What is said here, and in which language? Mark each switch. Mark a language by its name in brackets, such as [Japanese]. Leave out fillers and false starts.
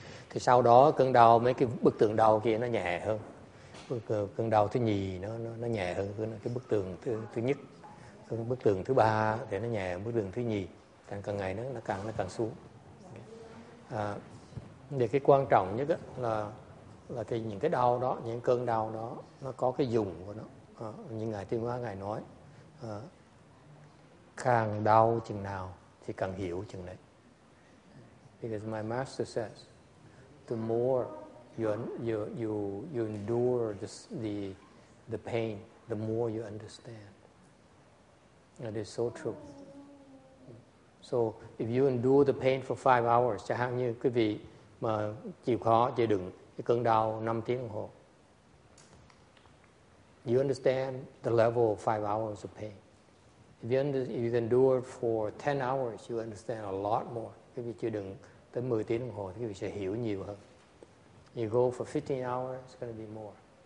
[Vietnamese] Thì sau đó cơn đau mấy cái bức tường đau kia nó nhẹ hơn. Cơn đau thứ nhì nó nhẹ hơn cái bức tường thứ nhất, cơn bức tường thứ ba thì nó nhẹ hơn bức tường thứ nhì, càng ngày nó càng xuống. Thì cái quan trọng nhất là cái những cái đau đó, những cơn đau đó nó có cái dùng của nó. Như ngài Tiên Hóa ngài nói, càng đau chừng nào thì càng hiểu chừng đấy. [English] Because my master says, the more you endure the pain, the more you understand. That is so true. So if you endure the pain for 5 hours, [Vietnamese] chẳng hạn như quý vị mà chịu khó chịu đựng cái cơn đau 5 tiếng đồng hồ, [English] you understand the level of 5 hours of pain. If you endure for 10 hours, you understand a lot more. [Vietnamese] Quý vị chịu đựng tới 10 tiếng đồng hồ, quý vị sẽ hiểu nhiều hơn. [English] You go for 15 hours, it's going to be more.